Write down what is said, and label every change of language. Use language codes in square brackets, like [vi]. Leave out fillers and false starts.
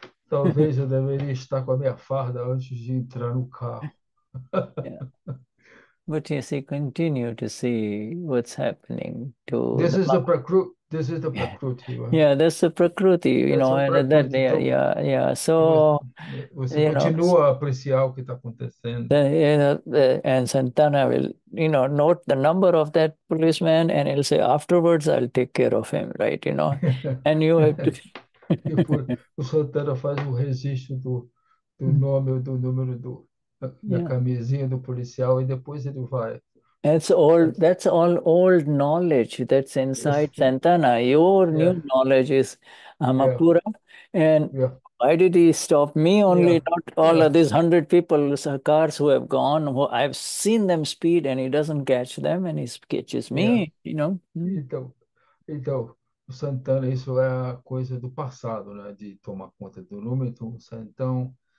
[pt] Talvez eu deveria estar com a minha farda antes de entrar no carro. [en] But you see, continue to see what's happening to this the is the prakruti. This is the prakruti. Yeah, that's the prakruti, you that's know, and that, [pt] então, [en] yeah. So, [pt] você continua a apreciar o que está acontecendo. [en] And Santana will, note the number of that policeman, and he'll say, afterwards, I'll take care of him, right, And you have to... [pt] O Santana faz um registro do nome, do número do... Na camisinha do policial e depois ele vai. [en] That's all old knowledge that's inside Santana. Your new knowledge is Amapura. Why did he stop me only, not all of these 100 people's cars who have gone, who I've seen them speed and he doesn't catch them and he catches me, [pt] Então, o Santana, isso é a coisa do passado, né? De tomar conta do número, então.